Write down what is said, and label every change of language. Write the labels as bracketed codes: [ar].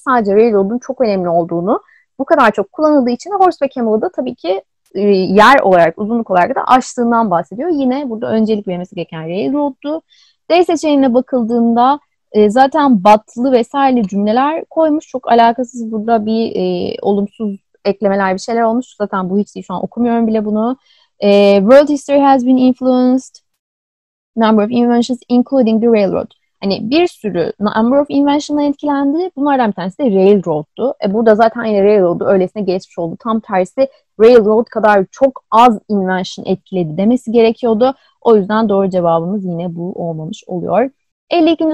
[tr] Sadece railroad'un çok önemli olduğunu, bu kadar çok kullanıldığı için horse ve camel'ı da tabii ki yer olarak, uzunluk olarak da açtığından bahsediyor. Yine burada öncelik vermesi gereken railroad'du. D seçeneğine bakıldığında zaten batılı vesaire cümleler koymuş. Çok alakasız burada bir olumsuz eklemeler, bir şeyler olmuş. Zaten bu hiç değil. Şu an okumuyorum bile bunu. [en] World history has been influenced. Number of inventions including the railroad. [tr] Hani bir sürü [en] number of invention'la [tr] etkilendi. Bunlardan bir tanesi de railroad'du. Burada zaten yine railroad'u öylesine geçmiş oldu. Tam tersi, railroad kadar çok az invention etkiledi demesi gerekiyordu. O yüzden doğru cevabımız yine bu olmamış oluyor. 52.